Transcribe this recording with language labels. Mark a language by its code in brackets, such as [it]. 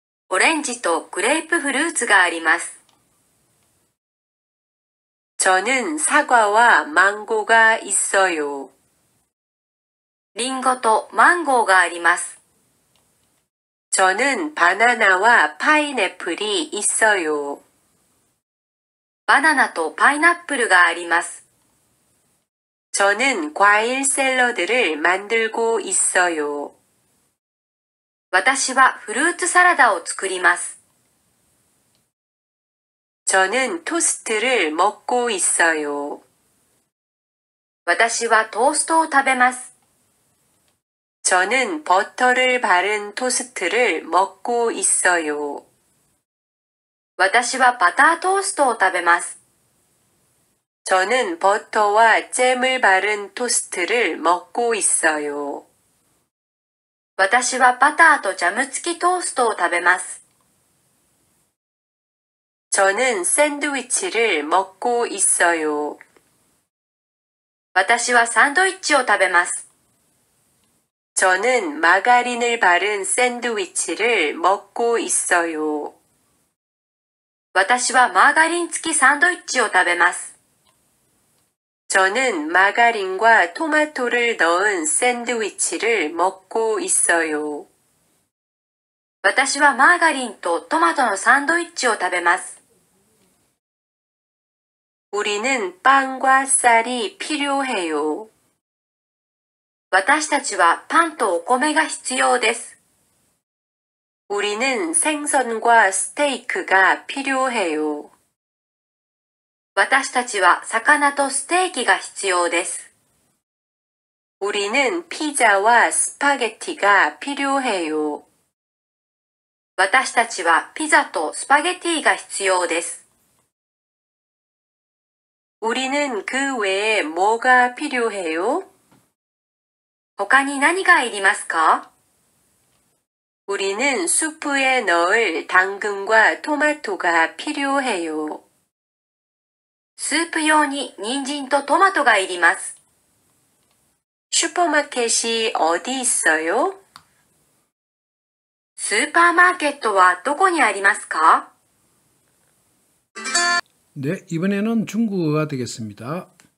[ja] オレンジとグレープフルーツがあります. [ko] 저는 사과와 망고가 있어요. [ja] リンゴとマンゴーがあります. [ko] 저는 바나나와 파인애플이 있어요. [ja] バナナとパイナップルがあります. [ko] 저는 과일 샐러드를 만들고 있어요. [ja] 私はフルーツサラダを作ります. [ko] 저는 토스트를 먹고 있어요. [ja] 私はトーストを食べます. [ko] 저는 버터를 바른 토스트를 먹고 있어요. [ja] 私はバタートーストを食べます. [ko] 저는 버터와 잼을 바른 토스트를 먹고 있어요. [ja] 私はバターとジャム付きトーストを食べます. [ko] 저는 샌드위치를 먹고 있어요. [ja] 私はサンドイッチを食べます。 [ko] 저는마가린을바른샌드위치를먹고있어요。 [ja] 私はマーガリン付きサンドイッチを食べます。 [ko] 저는마가린과토마토를넣은샌드위치를먹고있어요。 [ja] 私はマーガリンとトマトのサンドイッチを食べます。 [ko] 우리는빵과쌀이필요해요。 [ja] 私たちはパンとお米が必要です。 [ko] 우리는생선과스테이크가필요해요。 [ja] 私たちは魚とステーキが必要です。 [ko] 우리는피자와스파게티가필요해요。 [ja] 私たちはピザとスパゲティが必要です。 [ko] 우리는그외에뭐가필요해요? [ja] 他に何がいりますか? [ko] 우리는수프에넣을당근과토마토가필요해요。 [ja] スープ用に人参とトマトがいります。 [ko] 슈퍼마켓이어디있어요? [ja] スーパーマーケットはどこにありますか? [ko] 네이번에는중국어가되겠습니다